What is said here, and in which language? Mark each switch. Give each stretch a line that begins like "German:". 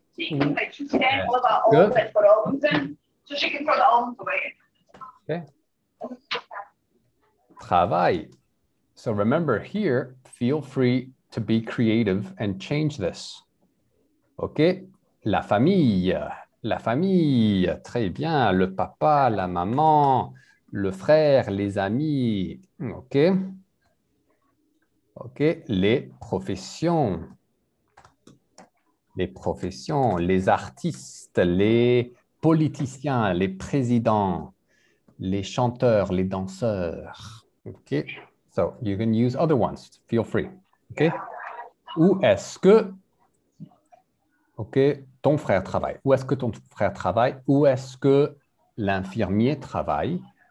French: Où est-ce que?
English: So she can throw the arms away. Okay. Travail. So remember here, feel free to be creative and change this.
French: Okay. La famille. La famille. Très bien. Le papa, la maman, le frère, les amis. Okay. OK, les professions, les artistes, les politiciens, les présidents, les chanteurs, les danseurs.
English: OK, so you can use other ones, feel free.
French: OK, où est-ce que, OK, ton frère travaille? Où est-ce que ton frère travaille? Où est-ce que l'infirmier travaille?